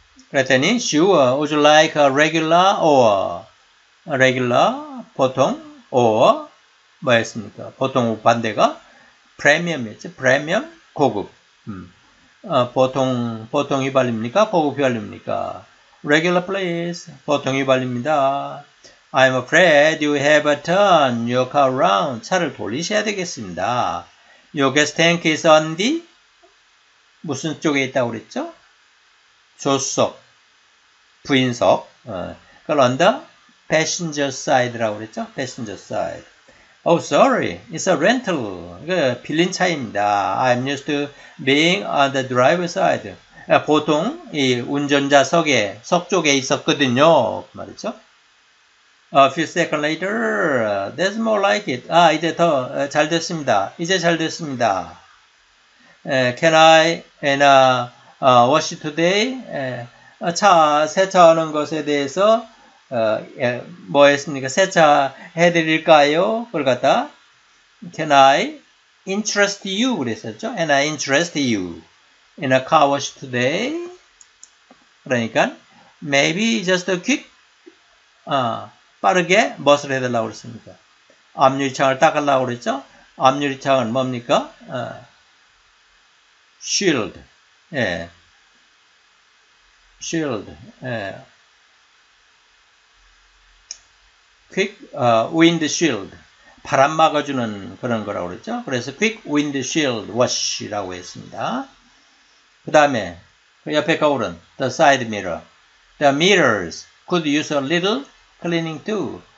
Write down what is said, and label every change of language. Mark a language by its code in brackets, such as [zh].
[ko] 그랬더니 [en] Sure, would you like a regular or? [ko] Regular, 보통, or? 뭐였습니까? 보통 반대가 프리미엄이었죠. 프리미엄, 고급. 보통 휘발유입니까? 고급 휘발유입니까? [en] Regular please. [ko] 보통 휘발유입니다. [en] I'm afraid you have a turn your car around. [ko] 차를 돌리셔야 되겠습니다. [en] Your gas tank is on the [ko] 무슨 쪽에 있다고 그랬죠? 조수석, 부인석. 그걸 [en] on the passenger side [ko] 라고 그랬죠? [en] Passenger side. Oh, sorry. It's a rental. [ko] 이거 빌린 차입니다. [en] I'm used to being on the driver's side. [ko] 보통 이 운전자석에 석 쪽에 있었거든요. 말이죠. [en] A few seconds later, that's more like it. [ko] 아, 이제 더 잘 됐습니다. 이제 잘 됐습니다. [en] Can I and wash it today? [ko] 차 세차하는 것에 대해서. 뭐 했습니까? 세차해 드릴까요? 그걸 갖다 [en] Can I interest you? [ko] 그랬었죠? [en] Can I interest you in a car wash today? [ko] 그러니까 [en] Maybe just a quick [ko] 빠르게 무엇을 해달라고 그랬습니까? 앞유리창을 닦으려고 그랬죠? 앞유리창은 뭡니까? [en] Shield [ko] shield, 퀵 윈드 쉴드, 바람 막아주는 그런 거라고 그랬죠. 그래서 퀵 윈드 쉴드 워시라고 했습니다. 그 다음에 그 옆에 거울은 [en] the side mirror. The mirrors could use a little cleaning too.